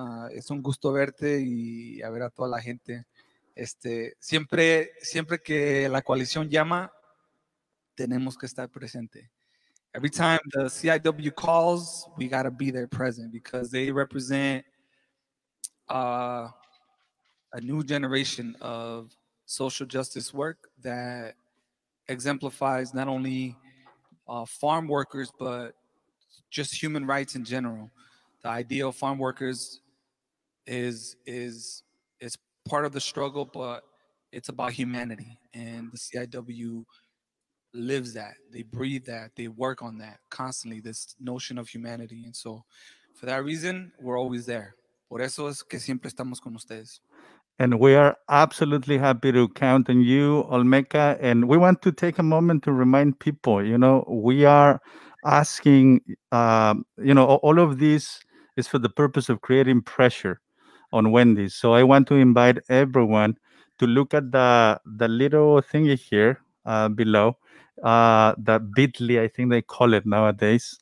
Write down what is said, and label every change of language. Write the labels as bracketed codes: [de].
[es] Es un gusto verte y a ver a toda la gente. Siempre que la coalición llama, tenemos que estar presente. [en] Every time the CIW calls, we got to be there present because they represent a new generation of social justice work that exemplifies not only farm workers, but just human rights in general. The idea of farm workers is part of the struggle, but it's about humanity. And the CIW lives that, they breathe that, they work on that constantly, this notion of humanity. And so for that reason, we're always there. [es] Por eso es que siempre estamos con ustedes. [en] And we are absolutely happy to count on you, Olmeca. And we want to take a moment to remind people, you know, we are asking, you know, all of this is for the purpose of creating pressure on Wendy's. So I want to invite everyone to look at the little thingy here below, the Bitly, I think they call it nowadays.